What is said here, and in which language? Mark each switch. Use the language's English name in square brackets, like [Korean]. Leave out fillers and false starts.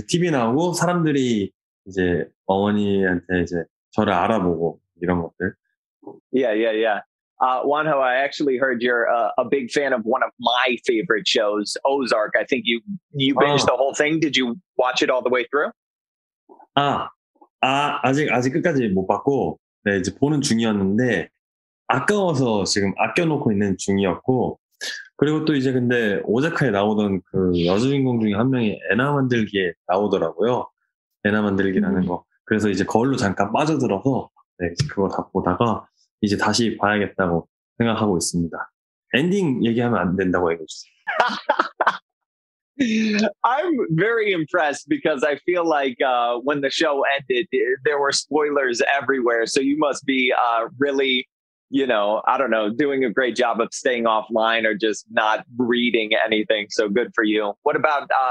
[Korean] TV에 나오고 사람들이 이제 어머니한테 이제 저를 알아보고 이런 것들. [English] Yeah. Juan Ho, I actually heard you're a big fan of one of my favorite shows, Ozark. I think you binged the whole thing. Did you watch it all the way through? [Korean] 아직 끝까지 못 봤고, 네, 이제 보는 중이었는데 아까워서 지금 아껴놓고 있는 중이었고, 그리고 또 이제 근데 오자카에 나오던 그 여주인공 중에 한 명이 에나 만들기에 나오더라고요. 에나 만들기라는 거. 그래서 이제 거울로 잠깐 빠져들어서 네, 그거 다 보다가 이제 다시 봐야겠다고 생각하고 있습니다. 엔딩 얘기하면 안 된다고 얘기했어요. [English] I'm very impressed because I feel like when the show ended, there were spoilers everywhere. So you must be really, you know, I don't know, doing a great job of staying offline or just not reading anything. So good for you. What about...